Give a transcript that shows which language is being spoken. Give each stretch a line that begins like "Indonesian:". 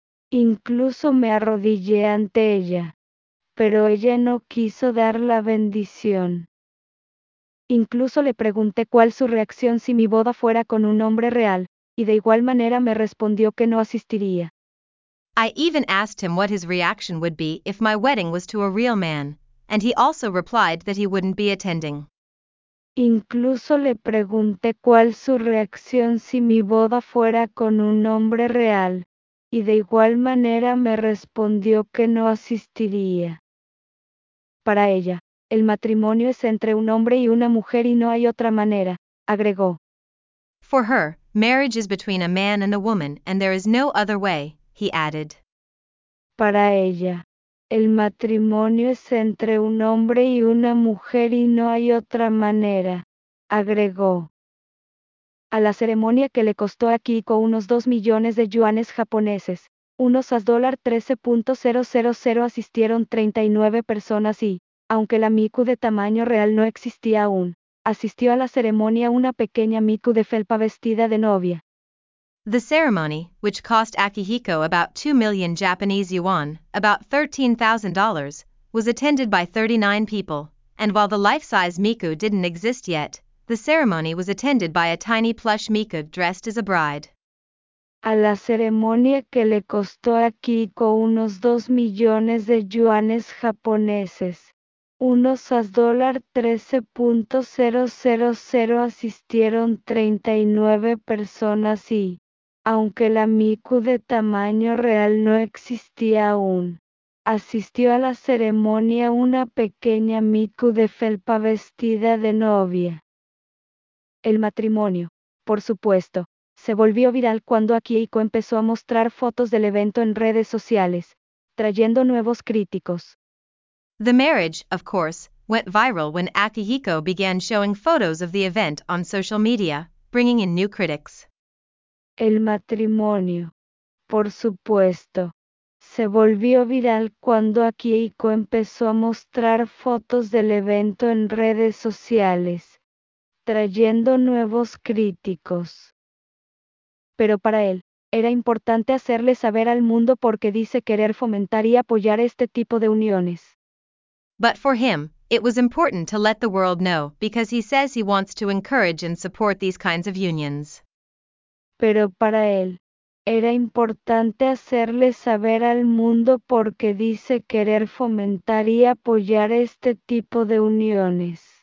Spanish: Incluso me arrodillé ante ella, pero ella no quiso dar la bendición. Incluso le pregunté cuál su reacción si mi boda fuera con un hombre real, y de igual manera me respondió que no asistiría.
English: I even asked him what his reaction would be if my wedding was to a real man, and he also replied that he wouldn't be attending.
Spanish: Incluso le pregunté cuál su reacción si mi boda fuera con un hombre real, y de igual manera me respondió que no asistiría. Para ella, el matrimonio es entre un hombre y una mujer y no hay otra manera, agregó.
English: For her, marriage is between a man and a woman and there is no other way, he added.
Spanish: Para ella, el matrimonio es entre un hombre y una mujer y no hay otra manera, agregó. A la ceremonia que le costó a Kiko unos 2 millones de yuanes japoneses, unos $13,000, asistieron 39 personas y, aunque la Miku de tamaño real no existía aún, asistió a la ceremonia una pequeña Miku de felpa vestida de novia.
English: The ceremony, which cost Akihiko about 2 million Japanese yuan, about $13,000, was attended by 39 people, and while the life-size miku didn't exist yet, the ceremony was attended by a tiny plush miku dressed as a bride.
Spanish: A la ceremonia que le costó a Akihiko unos 2 millones de yuanes japoneses, unos a dólar 13.000, asistieron 39 personas y, aunque la miku de tamaño real no existía aún, asistió a la ceremonia una pequeña miku de felpa vestida de novia. El matrimonio, por supuesto, se volvió viral cuando Akihiko empezó a mostrar fotos del evento en redes sociales, trayendo nuevos críticos.
English: The marriage, of course, went viral when Akihiko began showing photos of the event on social media, bringing in new critics.
Spanish: El matrimonio, por supuesto, se volvió viral cuando Akihiko empezó a mostrar fotos del evento en redes sociales, trayendo nuevos críticos. Pero para él, era importante hacerle saber al mundo por qué dice querer fomentar y apoyar este tipo de uniones.
English: But for him, it was important to let the world know because he says he wants to encourage and support these kinds of unions.
Spanish: Pero para él, era importante hacerle saber al mundo porque dice querer fomentar y apoyar este tipo de uniones.